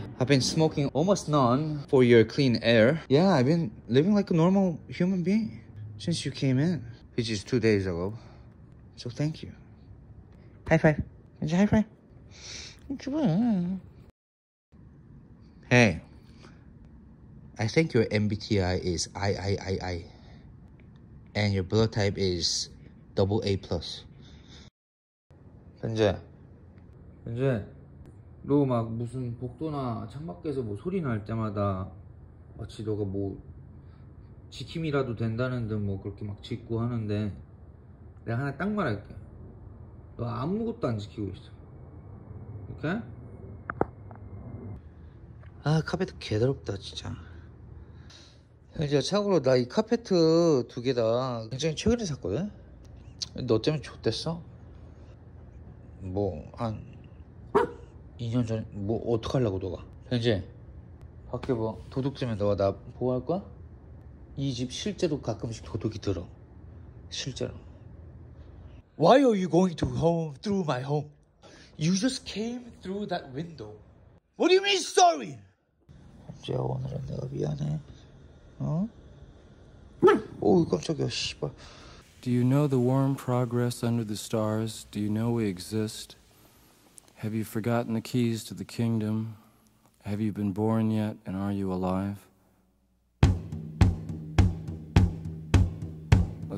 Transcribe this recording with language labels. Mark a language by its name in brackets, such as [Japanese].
[English] I've been smoking almost none for your clean air. Yeah, I've been living like a normal human being since you came in, which is 2 days ago. So thank you. High five. Is it high five? Hey, I think your MBTI is III, and your blood type is AA+. [Korean] 현재, 현재, 너 막 무슨 복도나 창밖에서 뭐 소리 날 때마다 마치 너가 뭐 지킴이라도 된다는 듯 뭐 그렇게 막 짓고 하는데, 내가 하나 딱 말할게. 너 아무것도 안 지키고 있어. 오케이? 아, 카펫 개더럽다 진짜. 현지야, 참고로 나 이 카펫 두 개 다 굉장히 최근에 샀거든? 너 때문에 좋댔어? 뭐 한 2년 전에 뭐 어떡하려고 너가? 현지, 밖에 뭐 도둑 들면 너가 나 보호할 거야? 이 집 실제로 가끔씩 도둑이 들어. 실제로. [English] Why are you going to home through my home? You just came through that window. What do you mean sorry? [Korean] 현재야, 오늘은 내가 미안해. 어? 오, 깜짝이야, 씨발. [English] Do you know the warm progress under the stars? Do you know we exist? Have you forgotten the keys to the kingdom? Have you been born yet, and are you alive? A